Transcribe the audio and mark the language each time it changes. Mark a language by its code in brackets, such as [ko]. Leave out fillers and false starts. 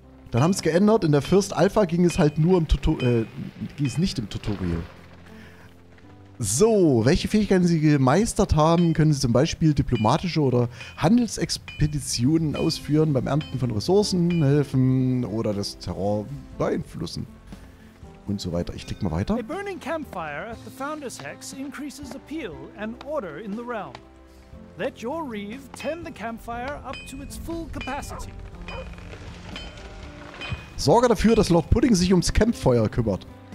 [de] Dann haben sie es geändert. In der First Alpha ging es halt nur im Tutorial. Ging es nicht im Tutorial. So, welche Fähigkeiten sie gemeistert haben, können sie zum Beispiel diplomatische oder Handelsexpeditionen ausführen, beim Ernten von Ressourcen helfen oder das Terror beeinflussen und so weiter. Ich klicke mal weiter. [en] A burning campfire at the Founder's Hex increases appeal and order in the realm. Let your Reeve tend the campfire up to its full capacity. [de] Sorge dafür, dass Lord Pudding sich ums Campfeuer kümmert.